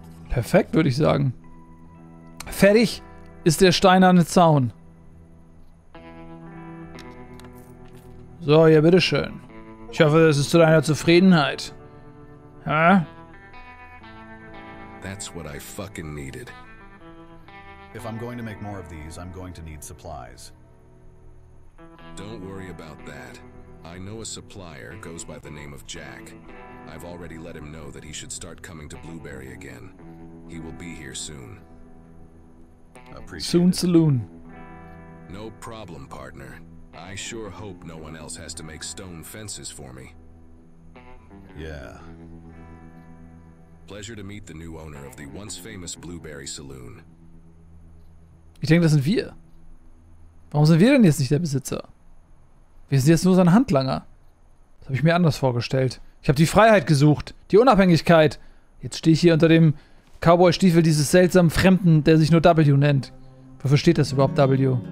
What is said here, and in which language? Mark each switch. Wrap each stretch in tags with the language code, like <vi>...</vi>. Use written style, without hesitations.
<de>Perfekt, würde ich sagen. Fertig ist der steinerne Zaun. So, ja, bitteschön. Ich hoffe, das ist zu deiner Zufriedenheit. Hä?</de> <en>That's what I fucking needed. If I'm going to make more of these, I'm going to need supplies. Don't worry about that. I know a supplier goes by the name of Jack. I've already let him know that he should start coming to Blueberry again. He will be here soon. Appreciate soon it. Saloon. No problem, partner. I sure hope no one else has to make stone fences for me. Yeah. Pleasure to meet the new owner of the once famous Blueberry Saloon.</en> <de>Ich denke, das sind wir. Warum sind wir denn jetzt nicht der Besitzer? Wir sind jetzt nur sein Handlanger. Das habe ich mir anders vorgestellt. Ich habe die Freiheit gesucht, die Unabhängigkeit. Jetzt stehe ich hier unter dem Cowboy-Stiefel dieses seltsamen Fremden, der sich nur W nennt. Wofür steht das überhaupt W?</de>